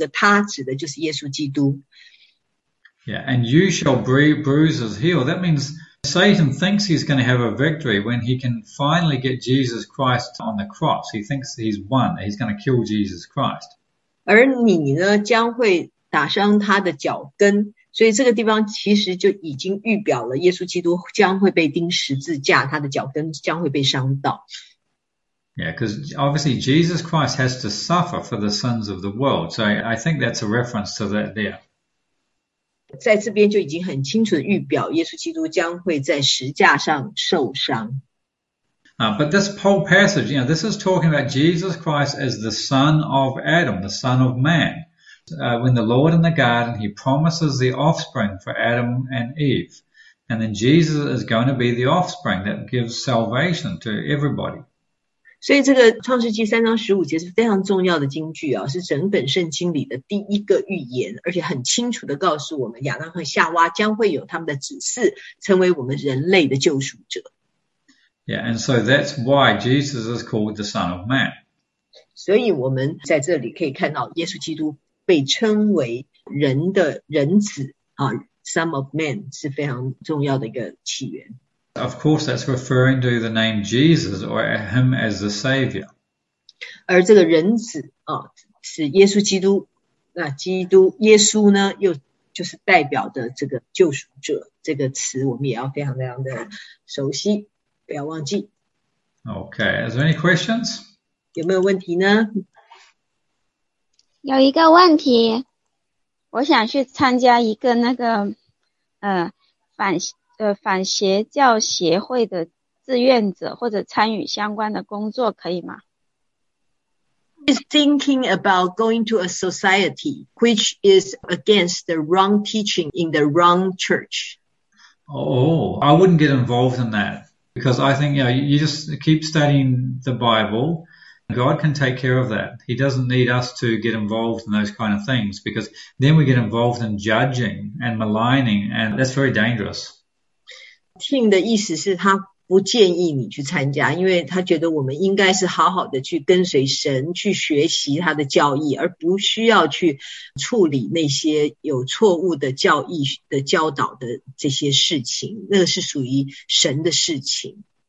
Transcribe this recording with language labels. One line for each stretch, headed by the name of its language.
Chinese: 这个他指的就是耶稣基督。
English: Yeah, and you shall bruise his heel. That means Satan thinks he's going to have a victory when he can finally get Jesus Christ on the cross. He thinks he's won, he's going to kill Jesus Christ.
Chinese: 而你呢，将会打伤他的脚跟。所以这个地方其实就已经预表了耶稣基督将会被钉十字架，他的脚跟将会被伤到。
English: Yeah, because obviously Jesus Christ has to suffer for the sins of the world. So I think that's a reference to that there.
Chinese: 在这边就已经很清楚的预表，耶稣基督将会在十架上受伤。
English: But this whole passage, this is talking about Jesus Christ as the son of Adam, the son of man. When the Lord in the garden, he promises the offspring for Adam and Eve. And then Jesus is going to be the offspring that gives salvation to everybody.
Chinese: 所以这个创世纪3章15节是非常重要的经句啊，是整本圣经里的第一个预言，而且很清楚地告诉我们，亚当和夏娃将会有他们的子嗣，成为我们人类的救赎者。
English: Yeah, and so that's why Jesus is called the Son of Man.
Chinese: 所以我们在这里可以看到，耶稣基督被称为人的人子啊，
English: Son of Man
Chinese: 是非常重要的一个起源。
English: Of course, that's referring to the name Jesus or him as the Savior.
Chinese: 而这个人子啊，是耶稣基督。那基督耶稣呢，又就是代表的这个救赎者这个词，我们也要非常非常的熟悉，不要忘记。
English: Okay, is there any questions?
Chinese: 有没有问题呢？有一个问题，我想去参加一个那个反邪教协会的志愿者或者参与相关的工作，可以吗？
English: He's thinking about going to a society which is against the wrong teaching in the wrong church. Oh, I wouldn't get involved in that. Because I think, you just keep studying the Bible. God can take care of that. He doesn't need us to get involved in those kind of things because then we get involved in judging and maligning, and that's very dangerous.
Chinese: Tim 的意思是他不建议你去参加，因为他觉得我们应该是好好的去跟随神，去学习他的教义，而不需要去处理那些有错误的教义的教导的这些事情，那个是属于神的事情。